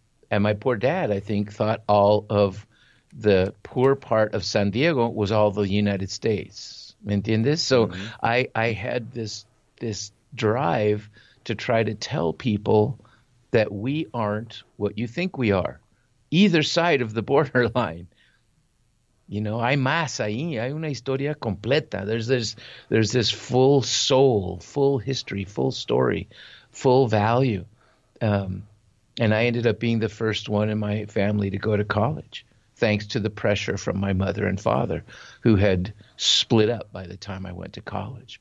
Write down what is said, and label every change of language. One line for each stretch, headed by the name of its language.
English: And my poor dad, I think, thought all of the poor part of San Diego was all the United States.
Spanish: ¿Me entiendes?
English: So I had this drive to try to tell people that we aren't what you think we are, either side of the borderline. You know,
Spanish: hay más ahí, hay una historia completa.
English: There's this full soul, full history, full story, full value. And I ended up being the first one in my family to go to college, thanks to the pressure from my mother and father, who had split up by the time I went to college.